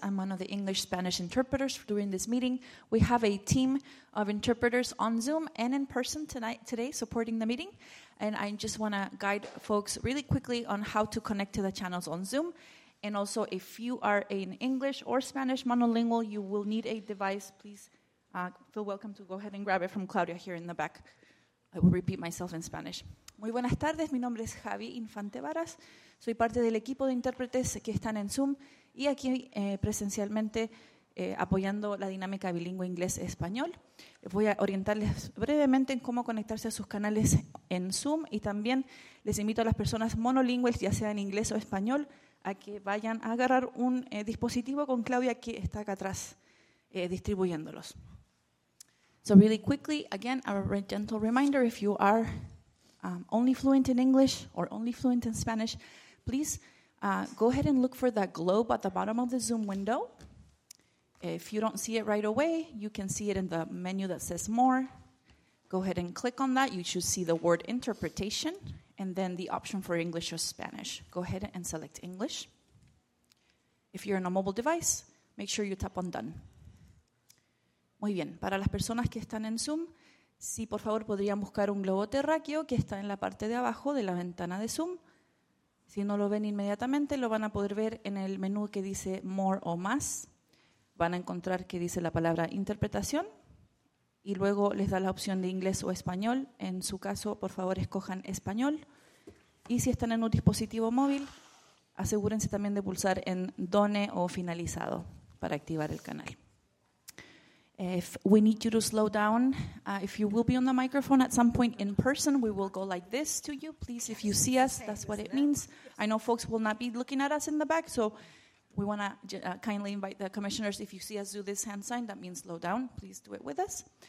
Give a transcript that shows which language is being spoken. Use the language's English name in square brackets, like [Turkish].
[English] I'm one of the English-Spanish interpreters during this meeting. We have a team of interpreters on Zoom and in person tonight, today, supporting the meeting. And I just want to guide folks really quickly on how to connect to the channels on Zoom. And also, if you are in English or Spanish monolingual, you will need a device. Please feel welcome to go ahead and grab it from Claudia here in the back. I will repeat myself in Spanish. [Spanish] Muy buenas tardes, mi nombre es Javi Infante Varas. Soy parte del equipo de intérpretes que están en Zoom y aquí presencialmente apoyando la dinámica bilingüe inglés-español. Voy a orientarles brevemente en cómo conectarse a sus canales en Zoom y también les invito a las personas monolingües, ya sea en inglés o español, a que vayan a agarrar un dispositivo con Claudia que está acá atrás distribuyéndolos. [English] So really quickly, again, a gentle reminder, if you are only fluent in English or only fluent in Spanish, please go ahead and look for that globe at the bottom of the Zoom window. If you don't see it right away, you can see it in the menu that says More. Go ahead and click on that. You should see the word Interpretation and then the option for English or Spanish. Go ahead and select English. If you're on a mobile device, make sure you tap on Done. [Spanish] Muy bien. Para las personas que están en Zoom, sí, por favor, podrían buscar un globo terráqueo que está en la parte de abajo de la ventana de Zoom. Si no lo ven inmediatamente, lo van a poder ver en el menú que dice More o Más. Van a encontrar que dice la palabra Interpretación y luego les da la opción de inglés o español. En su caso, por favor, escojan español. Y si están en un dispositivo móvil, asegúrense también de pulsar en Done o Finalizado para activar el canal. [English] If we need you to slow down, if you will be on the microphone at some point in person, we will go like this to you. Please, if you see us, that's what it means. I know folks will not be looking at us in the back, so we want to kindly invite the commissioners, if you see us do this hand sign, that means slow down. Please do it with us.